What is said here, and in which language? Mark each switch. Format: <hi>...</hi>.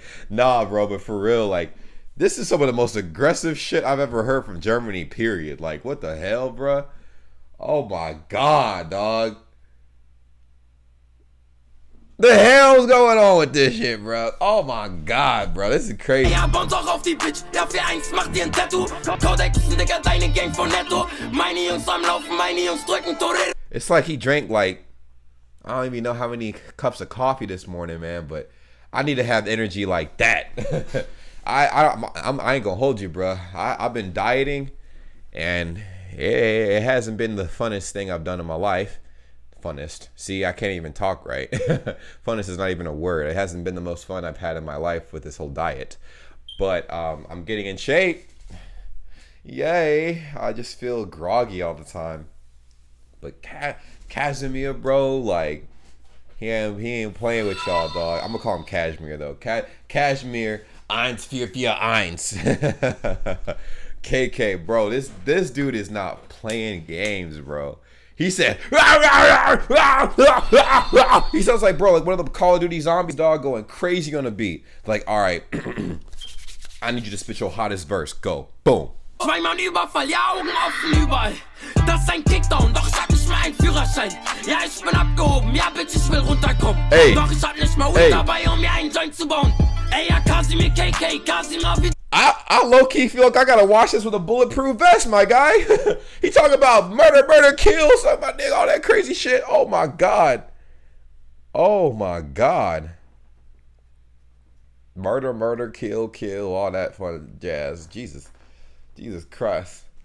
<en>Nah, bro, but for real, like, this is some of the most aggressive shit I've ever heard from Germany, period. Like, what the hell, bro? Oh my god, dog. The hell's going on with this shit, bro? Oh my god, bro. This is crazy. Hey, I bumped off of the bitch.</en> <de>Yeah, for eins, mach dir ein Tattoo. Codex, nigga, deine Gang von Netto. Meine Jungs am Laufen, meine Jungs drücken Tore.</de> <en>It's like he drank, like, I don't even know how many cups of coffee this morning, man, but I need to have energy like that. I ain't gonna hold you, bro. I've been dieting, and it hasn't been the funnest thing I've done in my life. Funnest. See, I can't even talk right. Funnest is not even a word. It hasn't been the most fun I've had in my life with this whole diet. But I'm getting in shape. Yay. I just feel groggy all the time. But Kazimir, bro, like, he ain't playing with y'all, dog. I'm gonna call him Cashmere, though. Cashmere 1441. KK, bro, this dude is not playing games, bro. He said, rah, rah, rah, rah, rah, rah, rah. He sounds like, bro, like one of the Call of Duty zombies, dog, going crazy on a beat. Like, all right, I need you to spit your hottest verse. Go, boom.</en> <de>Zwei Mann überfall, ja, Augen offen überall. Das ist ein Kickdown, doch ich hab nicht mehr einen Führerschein. Ja, ich bin abgehoben, ja, bitch, ich will runterkommen. Hey. Doch ich hab nicht mal Uhr dabei, um mir einen Joint zu bauen. Ey, ja, Kasimir, KK, Kasimir, wie...</de> <en>I low-key feel like I gotta watch this with a bulletproof vest, my guy. He talking about murder, kill, suck my dick, all that crazy shit. Oh my god. Oh my god. Murder, kill, all that fun jazz. Jesus Christ.</en>